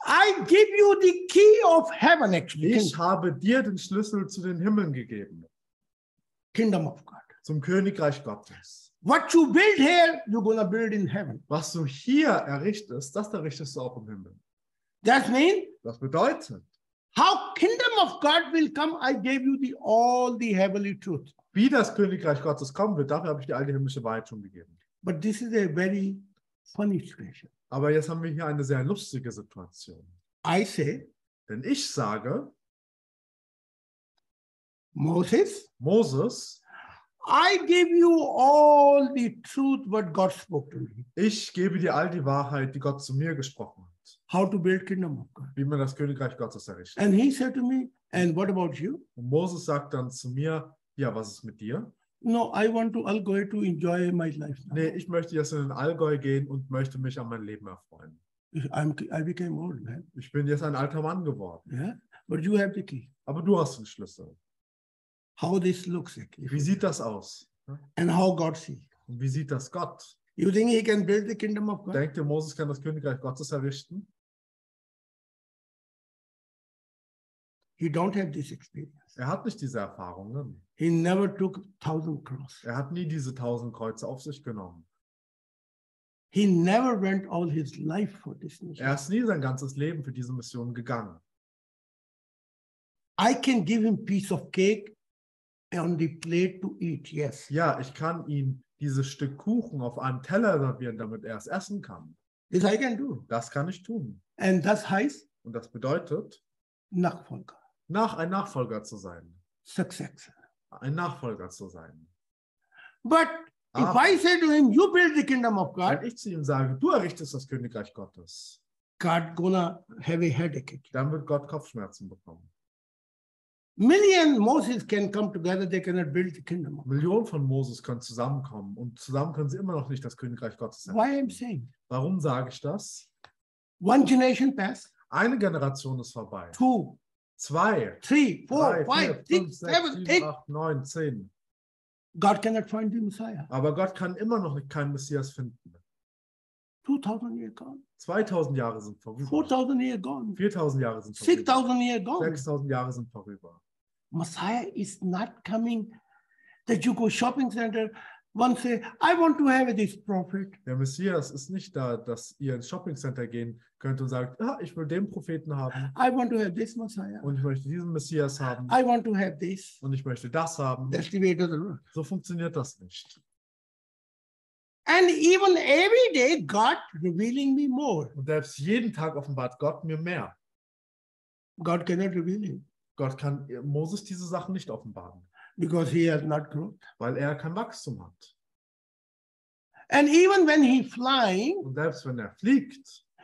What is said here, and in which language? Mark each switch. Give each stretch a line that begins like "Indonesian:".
English: I give you the key of heaven actually.
German: Ich habe dir den Schlüssel zu den Himmeln gegeben.
English: Kingdom of God.
German: Zum Königreich Gottes.
English: What you build here, you're gonna build in heaven.
German: Was du hier errichtest, das errichtest du auch im Himmel.
English: That mean,
German: das bedeutet,
English: how kingdom of God will come, I gave you the, all the heavenly truth.
German: Wie das Königreich Gottes kommen wird, dafür habe ich dir all die himmlische Wahrheit schon gegeben.
English: But this is a very funny situation.
German: Aber jetzt haben wir hier eine sehr lustige Situation.
English: I say,
German: Denn ich sage,
English: Moses, I give you all the truth what God spoke to me.
German: Ich gebe dir all die Wahrheit, die Gott zu mir gesprochen hat.
English: How to build kingdom of God.
German: Wie man das Königreich Gottes errichtet.
English: And he said to me, and what about you?
German: Und Moses sagt dann zu mir, ja, was ist mit dir?
English: No, I want to Allgäu to enjoy my life now.
German: Nee, ich möchte jetzt in den Allgäu gehen und möchte mich an mein Leben erfreuen.
English: I became old, man.
German: Ich bin jetzt ein alter Mann geworden.
English: Yeah? But you have the key.
German: Aber du hast den Schlüssel.
English: How this looks like,
German: wie sieht das aus?
English: And how God sees.
German: Und wie sieht das Gott?
English: You think he can build the kingdom of God?
German: Denkt ihr, Moses kann das Königreich Gottes errichten?
English: He don't have this experience.
German: Er hat nicht diese Erfahrungen.
English: He never took 1,000 cross.
German: Er hat nie diese 1,000 Kreuze auf sich genommen.
English: He never went all his life for this mission.
German: Er ist nie sein ganzes Leben für diese Mission gegangen.
English: I can give him piece of cake on the plate to eat, yes.
German: Ja, ich kann ihm dieses Stück Kuchen auf einem Teller servieren, damit er es essen kann.
English: This I can do.
German: Das kann ich tun.
English: And
German: das heißt? Und das bedeutet? Nachfolger. Ein Nachfolger zu sein.
English: Success.
German: Ein Nachfolger zu sein.
English: But if I say to him, you build the kingdom of God.
German: Wenn ich zu ihm sage, du errichtest das Königreich Gottes.
English: God gonna have a headache.
German: Dann wird Gott Kopfschmerzen bekommen.
English: Million Moses can come together, they cannot build the kingdom.
German: Millionen von Moses können zusammenkommen und zusammen können sie immer noch nicht das Königreich Gottes sein.
English: Why I'm saying?
German: Warum sage ich das?
English: One generation passed.
German: Eine Generation ist vorbei.
English: Two.
German: Zwei.
English: Three. Four. Five. Six. Seven. Eight. 9. 10. God cannot find the Messiah.
German: Aber Gott kann immer noch keinen Messias finden.
English: 2000 years gone.
German: 2000 Jahre sind vorüber.
English: 4000 years gone.
German: 4000 Jahre sind vorüber.
English: 6000 years gone.
German: 6000 Jahre sind vorüber.
English: Messiah is not coming. That you go shopping center one say, I want to have this prophet.
German: Der Messias ist nicht da, dass ihr ins Shopping Center gehen könnt und sagt, ah, ich will den Propheten haben.
English: I want to have this Messiah.
German: Und ich möchte diesen Messias haben.
English: I want to have this.
German: Und ich möchte das haben.
English: That's the way it doesn't work.
German: So funktioniert das nicht.
English: And even every day, God revealing me more.
German: Und selbst jeden Tag offenbart Gott mir mehr.
English: God cannot reveal him.
German: Gott kann Moses diese Sachen nicht offenbaren.
English: Because he has not grown.
German: Weil er kein Wachstum hat.
English: And even when he flying.
German: Und selbst wenn er fliegt.